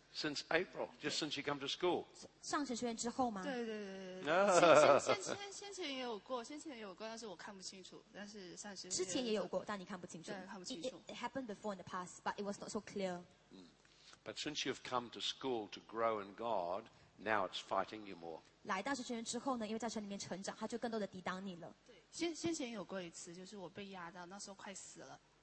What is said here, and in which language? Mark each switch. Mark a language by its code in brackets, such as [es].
[en] Since April, just since you come to school. [zh] 上学之后吗? 对对对。先前也有过，但是我看不清楚。但是上学之前也有过，但你看不清楚。对，看不清楚。 [en] It happened before in the past, but it was not so clear. But since you've come to school to grow in God, now it's fighting you more. [zh] 来大学之后呢，因为在神里面成长，他就更多的抵挡你了。对，先前有过一次，就是我被压到，那时候快死了。